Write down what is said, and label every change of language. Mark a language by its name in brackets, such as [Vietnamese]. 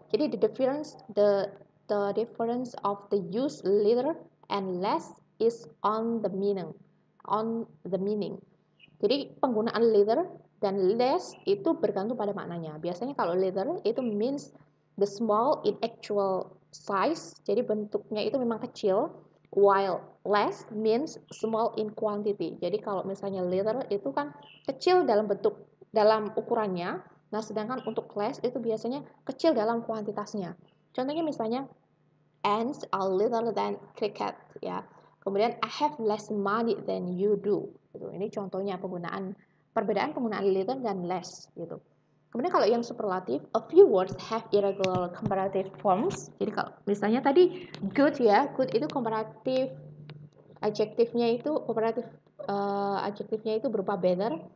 [Indonesian] Jadi [English] the difference of the use little and less is on the meaning. [Indonesian] Jadi penggunaan little dan less itu bergantung pada maknanya. Biasanya kalau little itu [English] means the small in actual size, [Indonesian] jadi bentuknya itu memang kecil. [English] While less means small in quantity. [Indonesian] Jadi kalau misalnya little itu kan kecil dalam bentuk, dalam ukurannya. Nah, sedangkan untuk less itu biasanya kecil dalam kuantitasnya. Contohnya misalnya [English] ants are littler than cricket, ya. [Indonesian] Kemudian [English] I have less money than you do. [Indonesian] Ini contohnya penggunaan, perbedaan penggunaan little dan less gitu. Kemudian kalau yang superlatif, [English] a few words have irregular comparative forms. [Indonesian] Jadi kalau misalnya tadi good ya, good itu comparative adjektifnya itu adjektifnya itu berupa better.